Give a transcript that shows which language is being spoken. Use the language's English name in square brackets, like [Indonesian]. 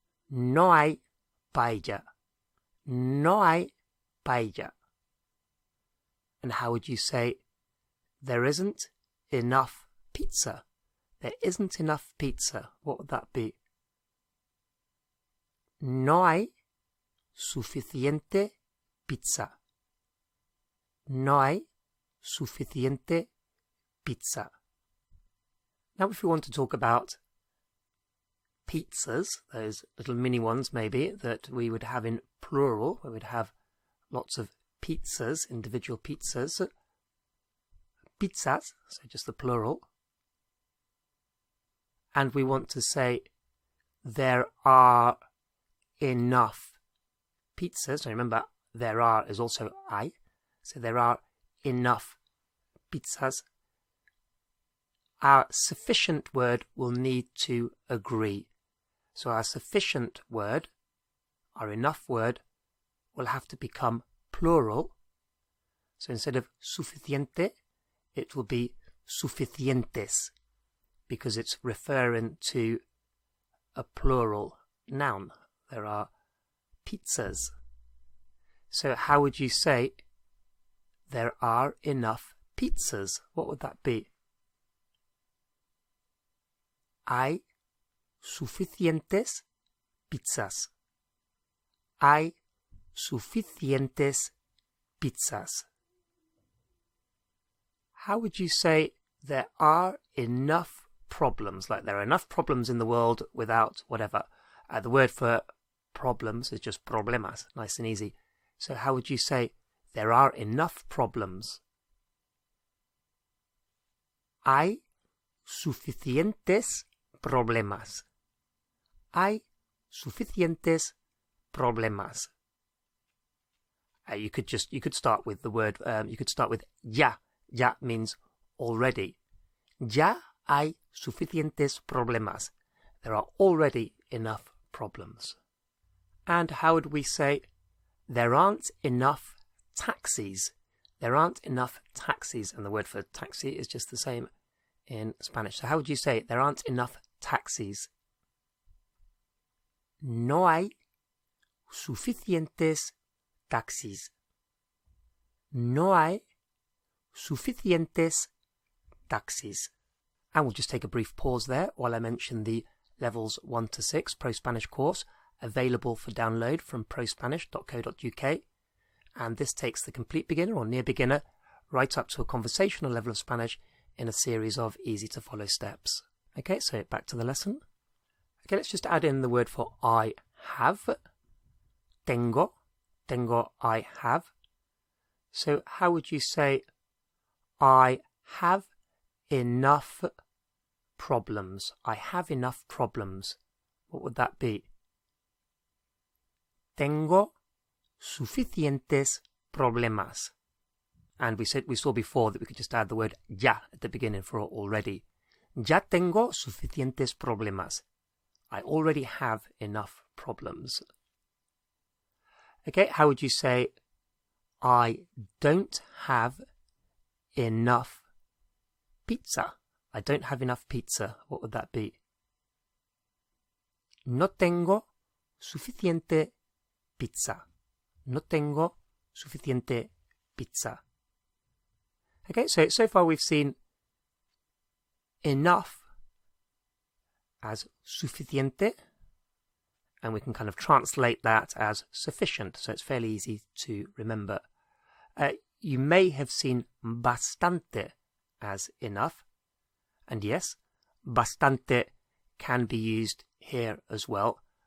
[Spanish] No hay paella. No hay paella. [English] And how would you say there isn't enough pizza? There isn't enough pizza. What would that be? [Spanish] No hay suficiente pizza. No hay suficiente pizza. [English] Now, if we want to talk about pizzas, those little mini ones maybe that we would have in plural, we would have lots of pizzas, individual pizzas. Pizzas, so just the plural. And we want to say there are enough pizzas. So remember, there are is also hay. So there are enough pizzas. Our sufficient word will need to agree. So our sufficient word, our enough word, will have to become plural. So instead of suficiente, it will be suficientes, because it's referring to a plural noun. There are pizzas. So how would you say there are enough pizzas? What would that be? [Spanish] Hay suficientes pizzas. Hay suficientes pizzas. [English] How would you say there are enough problems? Like there are enough problems in the world without whatever. The word for problems is just problemas, nice and easy. So how would you say there are enough problems? [Spanish] Hay suficientes problemas. Hay suficientes problemas. [English] You could start with the word, you could start with ya. Ya means already. [Spanish] Ya hay suficientes problemas. [English] There are already enough problems. And how would we say there aren't enough taxis? There aren't enough taxis, and the word for taxi is just the same in Spanish. So how would you say there aren't enough taxis? [Spanish] No hay suficientes taxis. No hay suficientes taxis. [English] And we'll just take a brief pause there while I mention the Levels 1 to 6 Pro Spanish course available for download from prospanish.co.uk. And this takes the complete beginner or near beginner right up to a conversational level of Spanish in a series of easy to follow steps. Okay, so back to the lesson. Okay, let's just add in the word for I have. Tengo. Tengo, I have. So how would you say I have enough problems? I have enough problems. What would that be? [Spanish] Tengo suficientes problemas. [English] And we saw before that we could just add the word ya at the beginning for already. [Spanish] Ya tengo suficientes problemas. [English] I already have enough problems. Okay, how would you say I don't have enough pizza? I don't have enough pizza. What would that be? [Spanish] No tengo suficiente pizza. No tengo suficiente pizza. [English] Okay, so far we've seen enough as suficiente, and we can kind of translate that as sufficient, so it's fairly easy to remember. You may have seen bastante as enough, and yes, bastante can be used here as well.